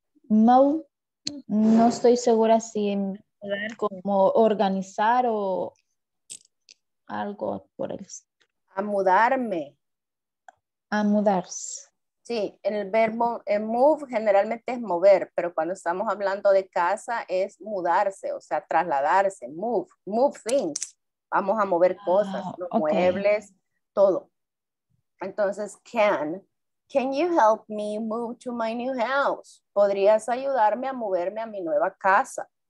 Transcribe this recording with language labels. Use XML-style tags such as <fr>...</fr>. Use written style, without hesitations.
<es>No estoy segura si como organizar o algo por el a mudarme. A mudarse. Sí, el verbo move generalmente es mover, pero cuando estamos hablando de casa es mudarse, o sea, trasladarse, move, move things. Vamos a mover cosas, los muebles, todo.</es> <en>Entonces, can you help me move to my new house?</en> <es>¿Podrías ayudarme a moverme a mi nueva casa?</es>